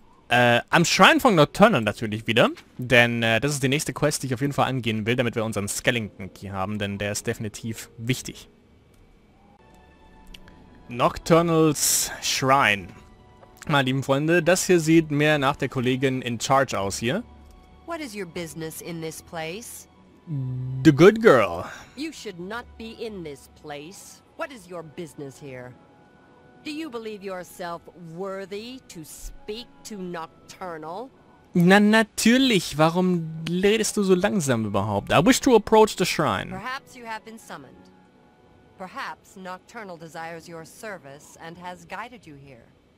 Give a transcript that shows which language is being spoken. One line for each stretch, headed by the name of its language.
German: am Schrein von Nocturnal natürlich wieder, denn das ist die nächste Quest, die ich auf jeden Fall angehen will, damit wir unseren Skellington Key haben, denn der ist definitiv wichtig. Nocturnals Schrein. Meine lieben Freunde, das hier sieht mehr nach der Kollegin in Charge aus hier.
English: What is your business in this place? The good girl. You should not be in this place. What is your business here? Do you believe yourself worthy to speak to Nocturnal?
German: Na natürlich, warum redest du so langsam überhaupt?
English: I wish to approach the shrine. Perhaps you have been summoned. Perhaps Nocturnal desires your service and has guided you here.